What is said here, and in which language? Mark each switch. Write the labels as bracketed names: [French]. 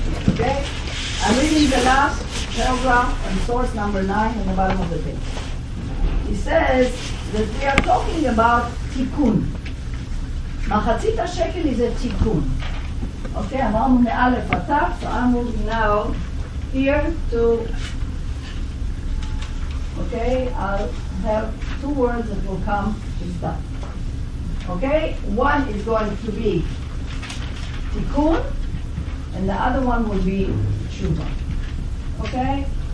[English] Okay, I'm reading the last paragraph on source number 9 in the bottom of the page. He says that we are talking about tikkun. [Hebrew] מחצית השקל זה תיקון. אוקיי, אמרנו מאלף עתף, אמרנו [English] now, here to... אוקיי, I'll have two words that will come to start. אוקיי, one is going to be תיקון, and the other one will be תשובה. אוקיי?